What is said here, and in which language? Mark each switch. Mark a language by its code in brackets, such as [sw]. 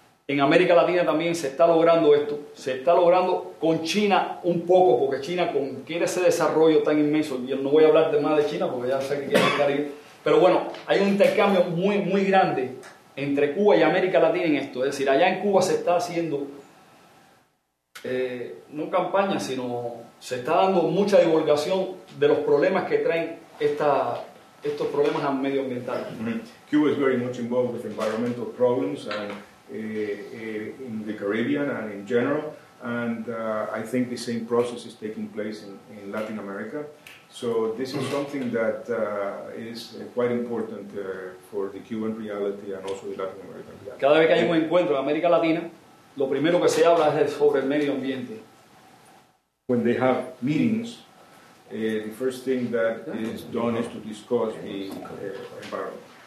[es] En América Latina también se está logrando esto, se está logrando con China un poco, porque China quiere ese desarrollo tan inmenso, y no voy a hablar más de China porque ya sé que quiere el Caribe, pero bueno, hay un intercambio muy, muy grande entre Cuba y América Latina en esto, es decir, allá en Cuba se está haciendo, no campaña, sino se está dando mucha divulgación de los problemas que traen estos problemas medioambientales. Mm-hmm. [en] Cuba is very much involved with environmental problems and in the Caribbean and in general, and I think the same process is taking place in Latin America. So this is something that is quite important for the Cuban reality and also the Latin American reality. [es] Cada vez que hay un encuentro en América Latina, lo primero que se habla es sobre el medio ambiente. [en] When they have meetings, the first thing that is done is to discuss the environment.